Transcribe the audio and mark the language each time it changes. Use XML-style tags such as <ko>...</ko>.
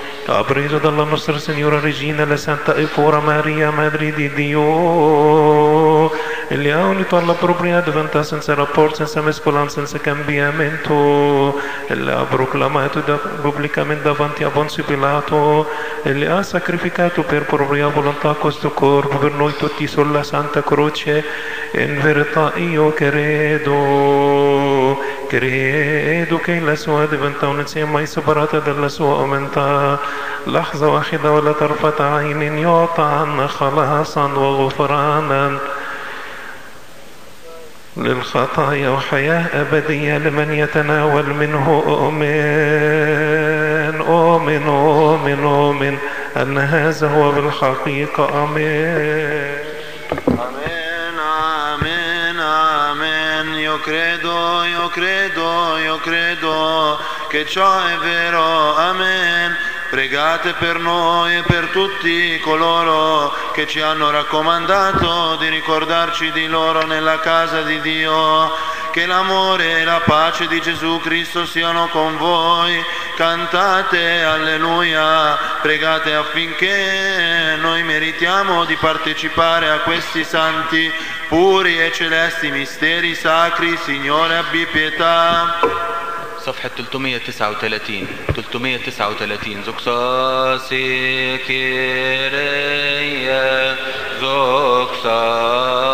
<it>ha preso dalla nostra Signora Regina la Santa e Pura Maria Madre di Dio e li ha unito alla propria divinità senza rapporto, senza mescolanza, senza cambiamento, e li ha proclamato pubblicamente davanti a Ponzio Pilato e li ha sacrificato per propria volontà questo corpo per noi tutti sulla Santa Croce. In verità io credo, credo che la sua diventa non sia mai separata dalla sua umanità.</it> <ar>لحظة واحدة ولا طرفة عين يعطى عنا خلاصا وغفرانا للخطايا وحياة أبدية لمن يتناول منه. أؤمن أؤمن أؤمن أؤمن أن هذا هو بالحقيقة. أمين أمين أمين أمين.</ar> <it>يو كريدو يو كريدو يو كريدو كي تشو إفيرو.</it> <ar>أمين.</ar> <it>Pregate per noi e per tutti coloro che ci hanno raccomandato di ricordarci di loro nella casa di Dio. Che l'amore e la pace di Gesù Cristo siano con voi. Cantate alleluia, pregate affinché noi meritiamo di partecipare a questi santi puri e celesti misteri sacri. Signore abbi pietà.</it> <ar>صفحة 339</ar> <el>زوكساسي كيريا زوكساسي</el>